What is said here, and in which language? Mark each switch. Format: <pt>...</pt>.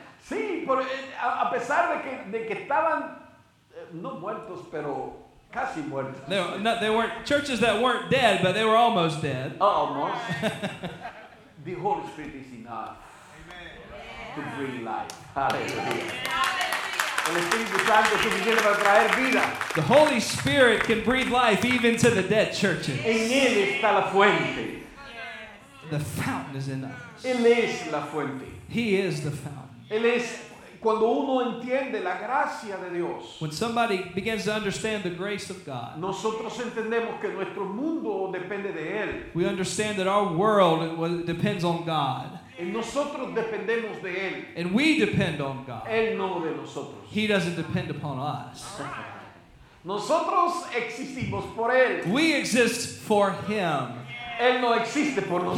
<es>Sí, pero a pesar de que estaban no muertos, pero casi muertos.</es> <en>They weren't churches that weren't dead, but they were almost dead. Almost. The Holy Spirit is enough. Amen. To bring life. Hallelujah.</en> <es>El Espíritu Santo es suficiente para traer vida.</es> <en>The Holy Spirit can breathe life even to the dead churches.</en> <es>En él está la fuente.</es> <en>The fountain is in us.</en> <es>Él es la fuente.</es> <en>He is the fountain.</en> <es>Él es cuando uno entiende la gracia de Dios.</es> <en>When somebody begins to understand the grace of God.</en> <es>Nosotros entendemos que nuestro mundo depende de él.</es> <en>We understand that our world depends on God.</en> <es>Y nosotros dependemos de él.</es> <en>And we depend on God.</en> <es>Él no de nosotros.</es> <en>He doesn't depend upon us.</en> <es>Nosotros existimos por él.</es> <en>We exist for him.</en> <es>Él no existe por nosotros.</es>